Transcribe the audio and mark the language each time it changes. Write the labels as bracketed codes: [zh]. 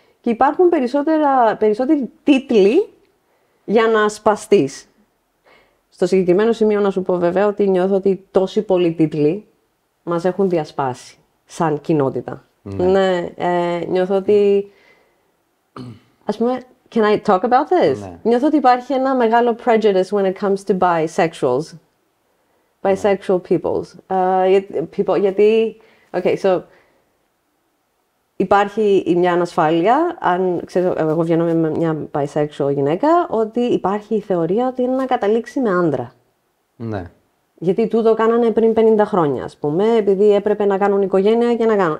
[el] και υπάρχουν περισσότεροι τίτλοι για να σπαστείς. Στο συγκεκριμένο σημείο να σου πω βέβαια ότι νιώθω ότι τόσοι πολλοί τίτλοι μας έχουν διασπάσει σαν κοινότητα. Ναι, νιώθω ότι, ας πούμε, [en] can I talk about this? [el] Ναι. Νιώθω ότι υπάρχει ένα μεγάλο [en] prejudice when it comes to bisexuals, bisexual peoples. [el] Γιατί, [en] okay, so, [el] υπάρχει μια ανασφάλεια, αν ξέρω, εγώ βγαίνω με μια bisexual γυναίκα, ότι υπάρχει η θεωρία ότι είναι να καταλήξει με άντρα. Ναι. Γιατί τούτο κάνανε πριν 50 χρόνια, ας πούμε, επειδή έπρεπε να κάνουν οικογένεια και να κάνουν.